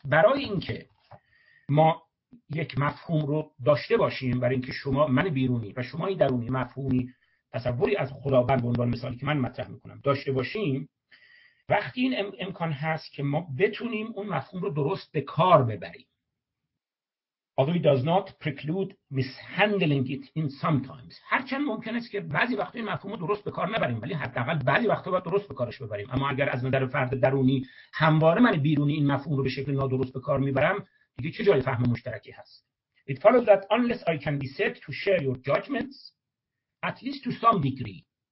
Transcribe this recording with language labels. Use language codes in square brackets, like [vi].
[fa] برای اینکه ما یک مفهوم رو داشته باشیم، برای اینکه شما، من بیرونی و شما درونی، مفهومی، تصوری از خداوند به عنوان مثالی که من مطرح میکنم داشته باشیم، وقتی این امکان هست که ما بتونیم اون مفهوم رو درست به کار ببریم، [en] although it does not preclude mishandling it in sometimes. [fa] هرچند ممکن است که بعضی وقتا این مفهوم رو درست به کار نبریم، ولی حداقل بعضی وقتا باید درست به کارش ببریم. اما اگر از نظر فرد درونی همواره من بیرونی این مفهوم رو به شکل نادرست به کار میبرم، دیگه چه جای فهم مشترکی هست؟ [en] It follows that unless I can be said to share your judgments, at least to some degree.